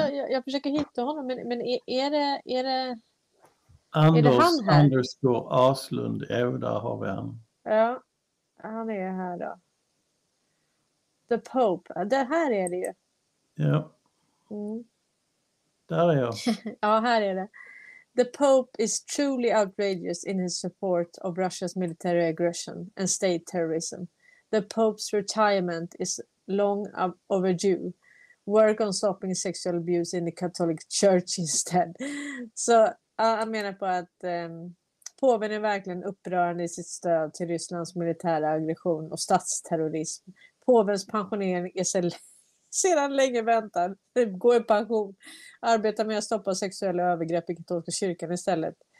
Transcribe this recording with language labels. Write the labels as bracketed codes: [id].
[sv] Jag försöker hitta honom, men är det Anders, är det han här? Anders går Aslund, där har vi han. Ja, han är här då. The Pope, det här är det ju. Ja. Där är jag. Ja, här är det. [en] The Pope is truly outrageous in his support of Russia's military aggression and state terrorism. The Pope's retirement is long overdue. Work on stopping sexual abuse in the Catholic Church instead. [sv] Så jag menar på att påven är verkligen upprörande i sitt stöd till Rysslands militära aggression och statsterrorism. Påvens pensionering är sedan länge väntad. Går i pension. Arbetar med att stoppa sexuella övergrepp i katolska kyrkan istället.